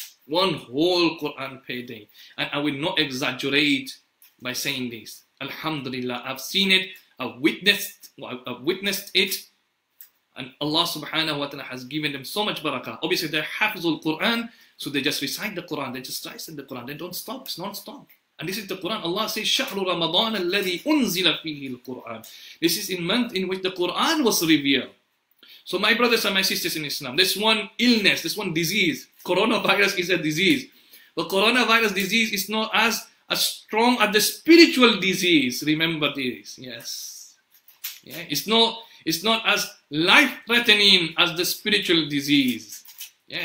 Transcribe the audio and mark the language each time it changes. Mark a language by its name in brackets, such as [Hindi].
[English] One whole Quran per day. And I will not exaggerate by saying this. Alhamdulillah, I've seen it, I've witnessed it, and Allah subhanahu wa ta'ala has given them so much barakah. Obviously, they're hafizul Quran, so they just recite the Quran, they just recite the Quran, they don't stop, it's non-stop. And this is the Quran. Allah says, [Arabic] شَهْرُ رَمَضَانَ الَّذِي أُنزِلَ فِيهِ الْقُرْآنِ. [English] This is a month in which the Quran was revealed. So my brothers and my sisters in Islam, this one illness, this one disease, coronavirus is a disease. But coronavirus disease is not as strong as the spiritual disease. Remember this, yes. Yeah. It's not as life-threatening as the spiritual disease. Yeah.